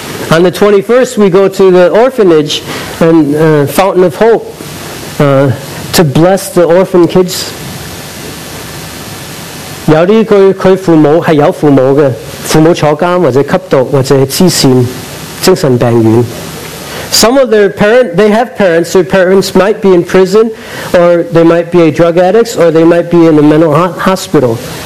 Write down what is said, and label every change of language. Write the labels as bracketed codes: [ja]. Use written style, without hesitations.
[en] On the 21st, we go to the orphanage and Fountain of Hope to bless the orphan kids. [zh] 有些他父母是有父母的，父母坐监或者吸毒或者痴线精神病院。 [en] Some of their parents, they have parents. Their parents might be in prison, or they might be a drug addict, or they might be in a mental hospital.